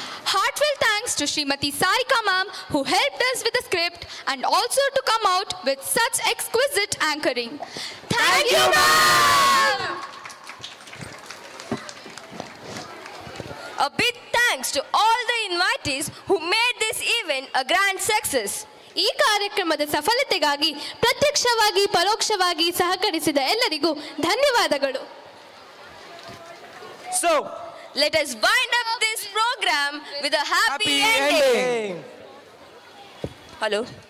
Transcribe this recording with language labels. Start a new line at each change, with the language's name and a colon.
English: Heartfelt thanks to Srimati Sarika ma'am, who helped us with the script and also to come out with such exquisite anchoring. Thank you, ma'am! A big thanks to all the invitees who made this event a grand success.
Kannada: ಈ ಕಾರ್ಯಕ್ರಮದ ಸಫಲತೆಗಾಗಿ ಪ್ರತ್ಯಕ್ಷವಾಗಿ ಪರೋಕ್ಷವಾಗಿ ಸಹಕರಿಸಿದ ಎಲ್ಲರಿಗೂ ಧನ್ಯವಾದಗಳು.
English: So, let us wind up this program with a happy ending. Hello.